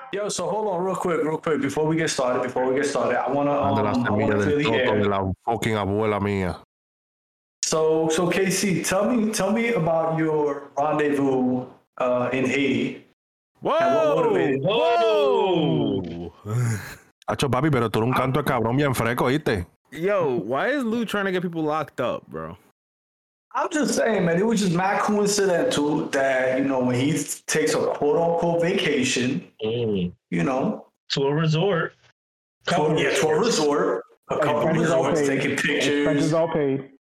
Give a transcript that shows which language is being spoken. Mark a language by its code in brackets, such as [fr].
[en] Yo, so hold on real quick, before we get started, I wanna clear the air. So KC, tell me about your rendezvous in Haiti. Whoa! [es] Acho papi, pero tú eres un canto de cabrón bien fresco, ¿viste? [en] Yo, why is Lou trying to get people locked up, bro? I'm just saying, man, it was just mad coincidental that, you know, when he takes a quote-unquote vacation, you know. To a resort. To a resort. A couple of resorts taking pictures. Expenses all paid.